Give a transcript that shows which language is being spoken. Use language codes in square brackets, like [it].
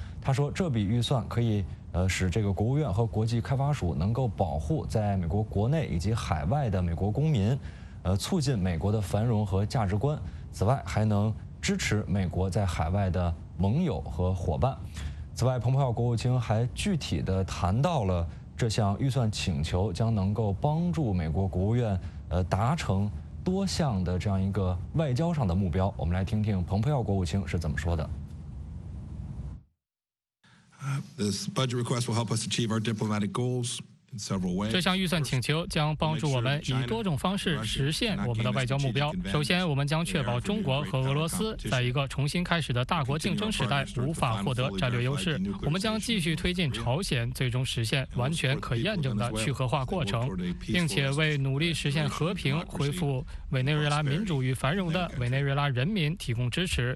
[zh] 他说这笔预算可以使这个国务院和国际开发署能够保护在美国国内以及海外的美国公民，促进美国的繁荣和价值观，此外还能支持美国在海外的盟友和伙伴。此外，蓬佩奥国务卿还具体地谈到了这项预算请求将能够帮助美国国务院达成多项的这样一个外交上的目标。我们来听听蓬佩奥国务卿是怎么说的。 [en] This budget request will help us achieve our diplomatic goals in several ways. [zh] 这项预算请求将帮助我们以多种方式实现我们的外交目标。首先，我们将确保中国和俄罗斯在一个重新开始的大国竞争时代无法获得战略优势。我们将继续推进朝鲜最终实现完全可验证的去核化过程，并且为努力实现和平、恢复委内瑞拉民主与繁荣的委内瑞拉人民提供支持。